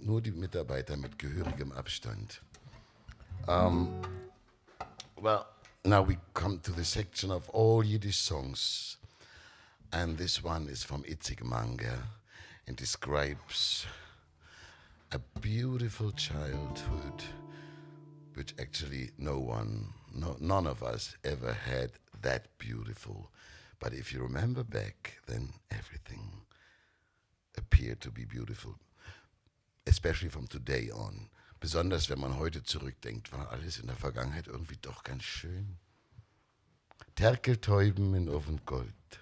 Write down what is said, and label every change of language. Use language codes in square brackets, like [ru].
[de] Nur die Mitarbeiter mit gehörigem Abstand. [en] Well, now we come to the section of all Yiddish songs. And this one is from Itzik Manger and describes a beautiful childhood which actually none of us ever had that beautiful. But if you remember back, then everything appeared to be beautiful, especially from today on. [de] Besonders wenn man heute zurückdenkt, war alles in der Vergangenheit irgendwie doch ganz schön. Terkeltäuben in Ofen Gold.